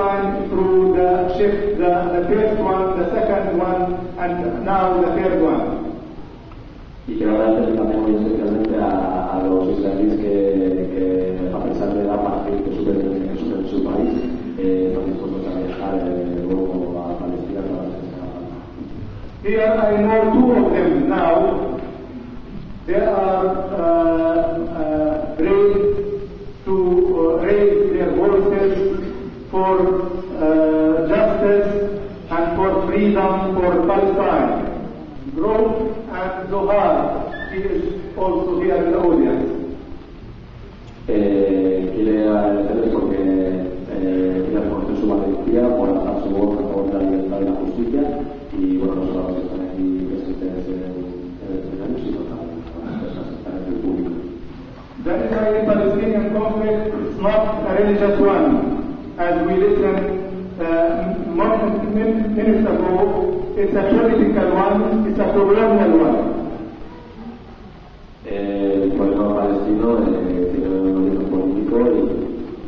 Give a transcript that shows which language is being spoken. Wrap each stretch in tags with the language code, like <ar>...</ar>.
<en>first one, the second one, and now the third one.</en> <es>Y quiero agradecer también muy especialmente a los israelíes que a pesar de la partida que sufren en su país, están dispuestos a viajar luego a Palestina para hacer esta batalla.</es> <en>Here I know two of them now. They are ready to raise their voices for justice and for freedom for Palestine. Grove and Zohar, he is also here in the audience.</en> <es>Quiero agradecerles porque quiero reconocer su valentía por alzar su voz a favor de la libertad y la justicia. Y bueno, los que están aquí presentes en el año, sino también en el público.</es> <en>The Israeli-Palestinian conflict is not a religious one. As we listened minutes ago, it's a political one, it's a colonial one.</en> <es>El problema palestino tiene un origen político y...</es>